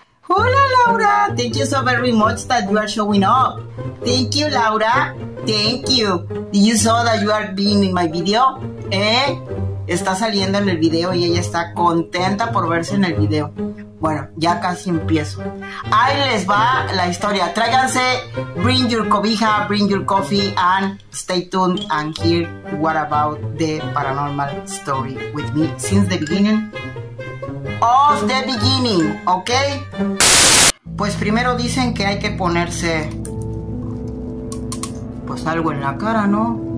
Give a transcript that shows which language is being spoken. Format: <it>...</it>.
<en>Hola Laura, thank you so very much that you are showing up. Thank you Laura, thank you. Did you saw that you are being in my video? ¿Eh?</en> <es>Está saliendo en el video y ella está contenta por verse en el video. Bueno, ya casi empiezo. Ahí les va la historia.</es> <en>Tráiganse, bring your cobija, bring your coffee and stay tuned and hear what about the paranormal story with me since the beginning. Of the beginning, ¿ok?</en> <es>Pues primero dicen que hay que ponerse pues algo en la cara, ¿no?</es>